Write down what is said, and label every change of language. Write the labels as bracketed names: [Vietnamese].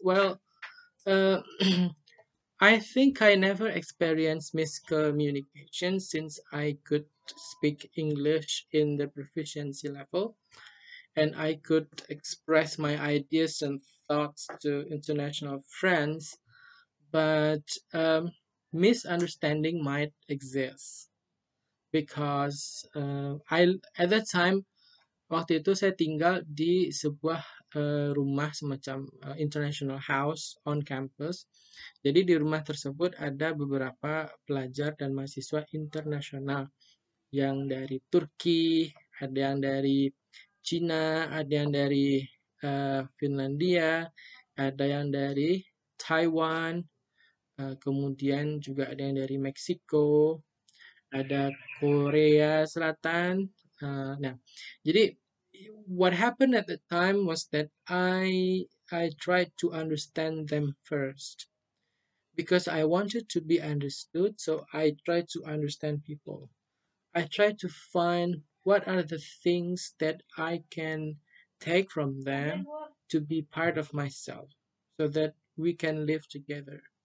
[English] Well, I think I never experienced miscommunication since I could speak English in the proficiency level, and I could express my ideas and thoughts to international friends, but misunderstanding might exist because I at that time, [Indonesian] waktu itu saya tinggal di sebuah rumah semacam [English] international house on campus. [Indonesian] Jadi di rumah tersebut ada beberapa pelajar dan mahasiswa internasional yang dari Turki, ada yang dari Cina, ada yang dari Finlandia, ada yang dari Taiwan, kemudian juga ada yang dari Meksiko, ada Korea Selatan. Nah, jadi [English] what happened at the time was that I tried to understand them first because I wanted to be understood, so I tried to understand people. I tried to find what are the things that I can take from them to be part of myself so that we can live together.